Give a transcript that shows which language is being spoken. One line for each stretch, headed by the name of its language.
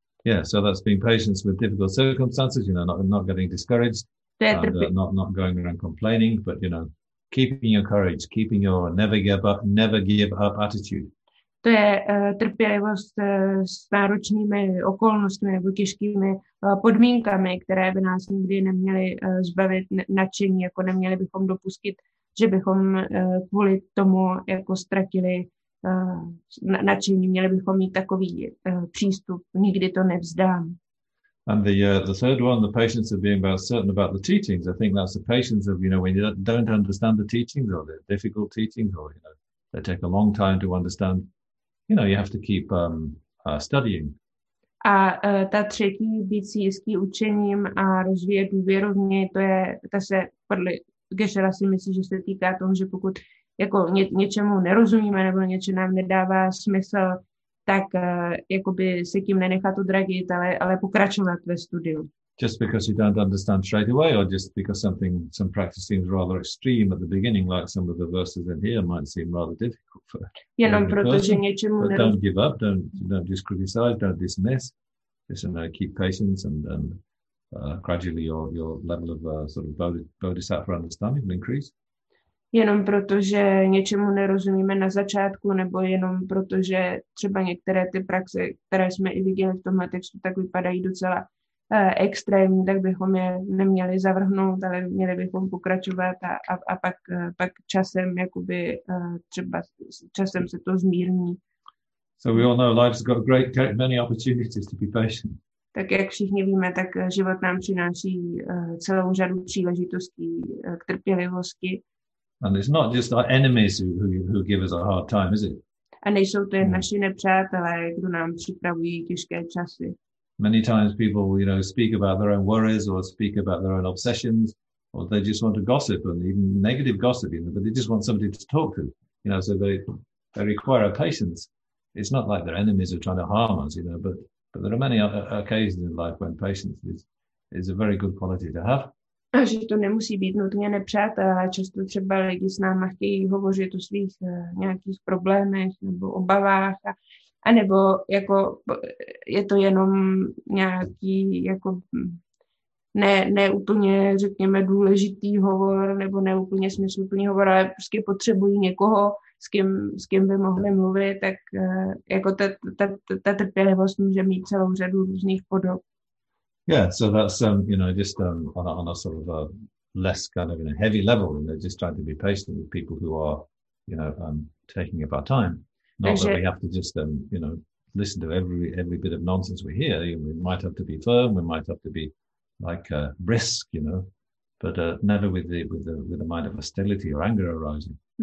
English: Yeah, so that's being patient with difficult circumstances, you know, not getting discouraged, not going around complaining, but, you know, keeping your courage, keeping your never give up attitude.
Czech: To je trpělivost s náročnými okolnostmi nebo těžkými podmínkami, které by nás nikdy neměly zbavit nadšení, jako neměli bychom dopustit, že bychom kvůli tomu jako ztratili nadšení. Měli bychom mít takový přístup, nikdy to nevzdám.
English: And the third one, the patience of being about certain about the teachings, I think that's the patience of, you know, when you don't understand the teachings or the difficult teachings or, you know, they take a long time to understand. You know, you have to keep studying.
Czech: A ta třetí, být si jistý učením a rozvíjet důvěru v něj, to je, ta se podle Geshe-la si myslí, že se týká toho, že pokud jako něčemu nerozumíme nebo něče nám nedává smysl, tak jakoby se tím nenechat odradit, ale pokračovat ve studiu.
English: Just because you don't understand straight away, or just because something, some practice seems rather extreme at the beginning, like some of the verses in here might seem rather difficult for
Czech: jenom proto, person. Že něčemu
English: but don't give up, don't just criticize, don't dismiss. Just keep patience, and gradually your level of sort of bodhisattva understanding will increase.
Czech: Jenom proto, že něčemu nerozumíme na začátku, nebo jenom proto, že třeba některé ty praxe, které jsme i viděli v tomhle textu, tak vypadají docela extrémní, tak bychom je neměli zavrhnout, ale měli bychom pokračovat a pak časem jakoby třeba časem se to zmírní.
English: So we all know life's got great many opportunities to be patient.
Czech: Tak jak všichni víme, tak život nám přináší celou řadu příležitostí k trpělivosti.
English: And it's not just our enemies who give us a hard time, is it?
Czech: A nejsou to naši nepřátelé, kdo nám připravují těžké časy.
English: Many times people, you know, speak about their own worries or speak about their own obsessions, or they just want to gossip, and even negative gossip, you know, but they just want somebody to talk to, you know, so they require our patience. It's not like their enemies are trying to harm us, you know, but there are many occasions in life when patience is a very good quality to have.
Czech: A že to nemusí být nutně nepřátelé, ale často třeba lidi s náma chtějí hovořit o svých nějakých problémech nebo obavách, a nebo jako je to jenom nějaký jako ne úplně řekněme důležitý hovor nebo ne úplně smysluplný hovor, ale prostě potřebují někoho, s kým by mohli mluvit, tak jako ta trpělivost může mít celou řadu různých podob.
English: Yeah, so that's just on a sort of a less kind of a heavy level, and they're just trying to be patient with people who are, you know, taking up our time. Not
Czech: takže,
English: that we have to just listen to every bit of nonsense we hear. We might have to be firm, we might have to be like brisk, you know, but never with the mind of hostility or anger arising.